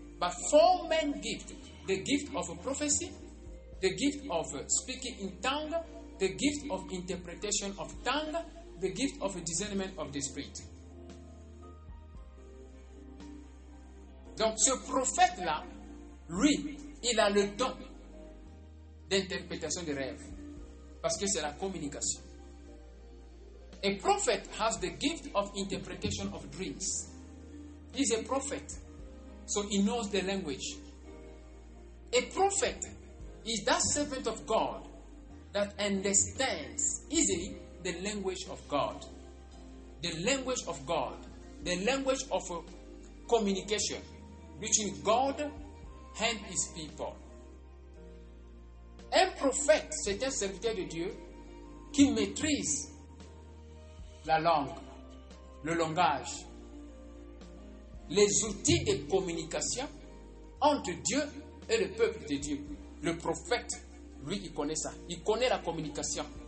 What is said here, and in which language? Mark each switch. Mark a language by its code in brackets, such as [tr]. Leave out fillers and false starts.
[en] But four main gifts: the gift of a prophecy, the gift of speaking in tongue, the gift of interpretation of tongue, the gift of a discernment of the spirit. [fr] Donc ce prophète là, lui, il a le don d'interprétation des rêves parce que c'est la communication. [en] A prophet has the gift of interpretation of dreams. He's a prophet, so he knows the language. A prophet is that servant of God that understands easily the language of God. The language of God, the language of communication between God and his people. [fr] Un prophète, c'est un serviteur de Dieu qui maîtrise la langue, le langage, les outils de communication entre Dieu et le peuple de Dieu. Le prophète, lui, il connaît ça. Il connaît la communication.